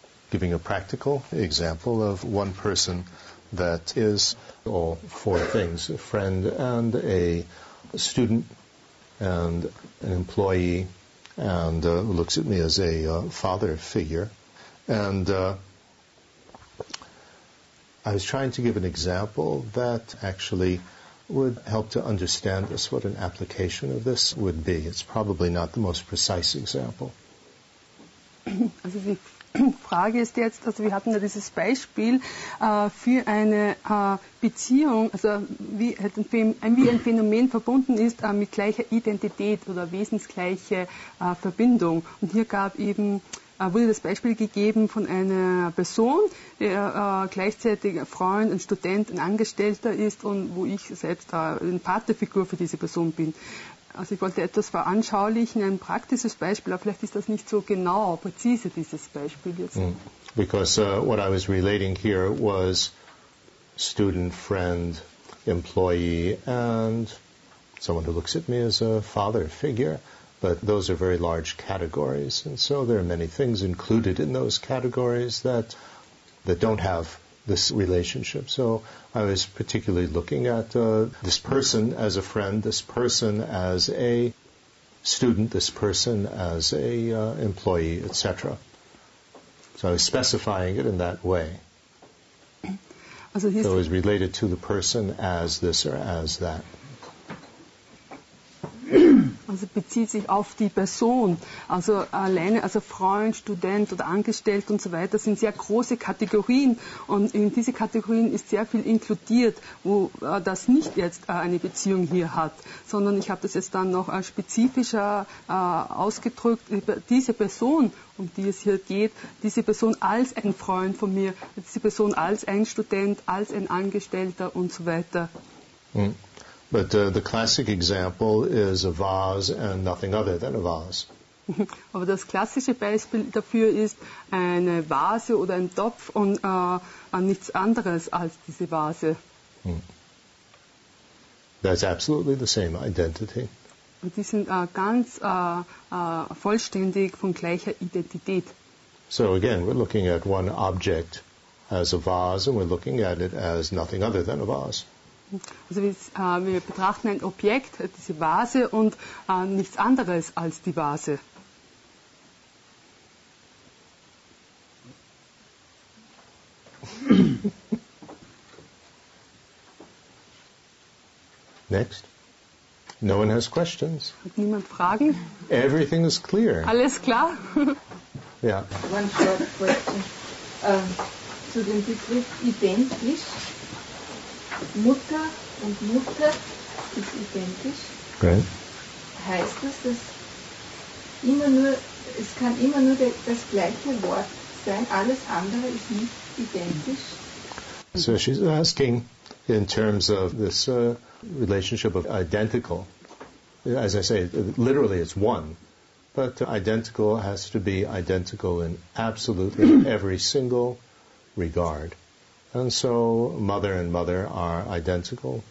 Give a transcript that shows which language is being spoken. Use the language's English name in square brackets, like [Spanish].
[English] giving a practical example of one person that is all four things, a friend and a student and an employee, and looks at me as a father figure. And I was trying to give an example that actually would help to understand this, what an application of this would be. It's probably not the most precise example. [German] Also die Frage ist jetzt, also wir hatten ja dieses Beispiel für eine Beziehung, also wie ein Phänomen verbunden ist mit gleicher Identität oder wesensgleiche Verbindung. Und hier gab eben wurde das Beispiel gegeben von einer Person, der gleichzeitig ein Freund, ein Student, ein Angestellter ist und wo ich selbst eine Vaterfigur für diese Person bin. Also ich wollte etwas veranschaulichen, ein praktisches Beispiel, aber vielleicht ist das nicht so genau präzise, dieses Beispiel jetzt. [English] Because what I was relating here was student, friend, employee and someone who looks at me as a father figure. But those are very large categories, and so there are many things included in those categories that don't have this relationship. So I was particularly looking at this person as a friend, this person as a student, this person as a employee, etc. So I was specifying it in that way. [German] Also [English] so it was related to the person as this or as that. [German] Also bezieht sich auf die Person. Also alleine, also Freund, Student oder Angestellt und so weiter sind sehr große Kategorien. Und in diese Kategorien ist sehr viel inkludiert, wo das nicht jetzt eine Beziehung hier hat, sondern ich habe das jetzt dann noch spezifischer ausgedrückt. Diese Person, um die es hier geht, diese Person als ein Freund von mir, diese Person als ein Student, als ein Angestellter und so weiter. [English] But the classic example is a vase and nothing other than a vase. [German] Aber das klassische Beispiel dafür ist eine Vase oder ein Topf und nichts anderes als diese Vase. [English] That's absolutely the same identity. [German] Und die sind ganz vollständig von gleicher Identität. [English] So again, we're looking at one object as a vase and we're looking at it as nothing other than a vase. [German] Also wir betrachten ein Objekt, diese Vase, und nichts anderes als die Vase. [English] Next. No one has questions. [German] Hat niemand Fragen? [English] Everything is clear. [German] Alles klar? Ja. [English] One short question. [German] Zu dem Begriff identisch. Mutter und Mutter ist identisch. [English] Great. [German] Heißt das, dass es kann immer nur das gleiche Wort sein, alles andere ist nicht identisch? [English] So she's asking in terms of this relationship of identical. As I say, literally it's one. But identical has to be identical in absolutely every single regard. And so mother and mother are identical.